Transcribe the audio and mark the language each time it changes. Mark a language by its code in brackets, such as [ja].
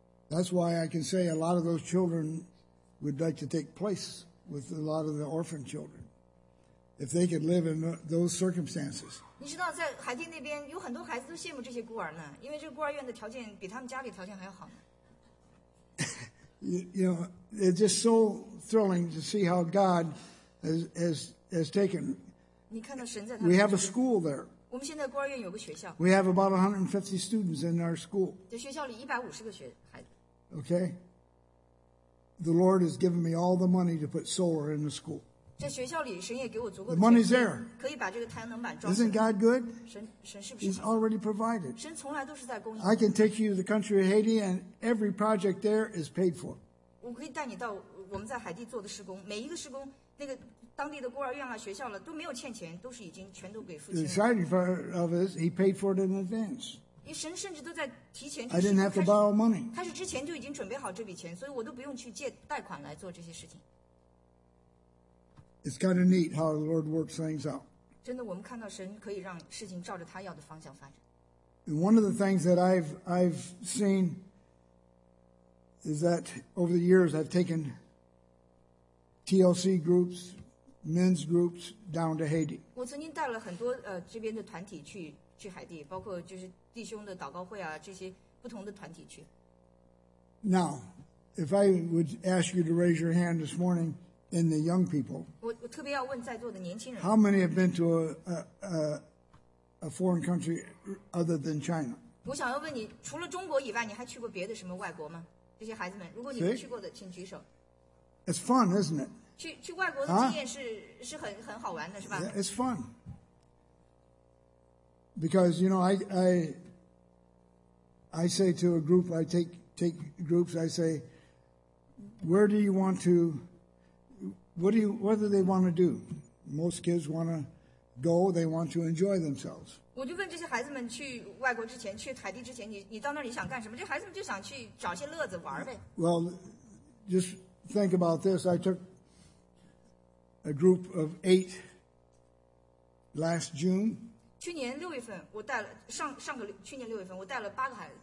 [en] That's why I can say a lot of those children would like to take place with a lot of the orphan children, if they could live in those circumstances. [zh] 你知道在海地那边有很多孩子都羡慕这些孤儿呢，因为这孤儿院的条件比他们家里条件还要好。 [en] You know, it's just so thrilling to see how God has taken. [zh] 你看到神在他们。 [en] We have a school there. [zh] 我们现在孤儿院有个学校。 [en] We have about 150 students in our school. [zh] 在学校里150个学孩子。 [en] Okay. The Lord has given me all the money to put solar in the school. [zh] 在学校里，神也给我足够的。 [en] The money's there. [zh] 可以把这个太阳能板装。 [en] Isn't God good? [zh] 神是不是？ [en] He's already provided. [zh] 神从来都是在供应。 [en] I can take you to the country of Haiti, and every project there is paid for. [zh] 我可以带你到我们在海地做的施工，每一个施工那个。当地的孤儿院啊，学校了，都没有欠钱，都是已经全都给父亲了。 [en] The exciting part of it is he paid for it in advance. [zh] 神甚至都在提前。 [en] I didn't have to borrow money. [zh] 他是之前就已经准备好这笔钱，所以我都不用去借贷款来做这些事情。 [en] It's kind of neat how the Lord works things out. [zh] 真的，我们看到神可以让事情照着他要的方向发展。 [en] And one of the things that I've seen is that over the years I've taken TLC groups. Men's groups down to Haiti. [zh] 我曾经带了很多这边的团体去海地，包括就是弟兄的祷告会啊，这些不同的团体去。 [en] Now, if I would ask you to raise your hand this morning in the young people, [zh] 我特别要问在座的年轻人 [en] ，How many have been to a foreign country other than China? [zh] 我想要问你，除了中国以外，你还去过别的什么外国吗？这些孩子们，如果你没去过的，请举手。 [en] It's fun, isn't it? [zh] 去外国的经验是很好玩的，是吧 [en] yeah, ？It's fun because you know I say to a group I take groups I say where do you want to what do they want to do? Most kids want to go. They want to enjoy themselves. [zh] 我就问这些孩子们去外国之前去海地之前你到那里想干什么？这孩子们就想去找些乐子玩呗。 [en] Well, just think about this. I took. A group of eight last June. [zh] 去年六月份，我带了上个去年六月份，我带了八个孩子。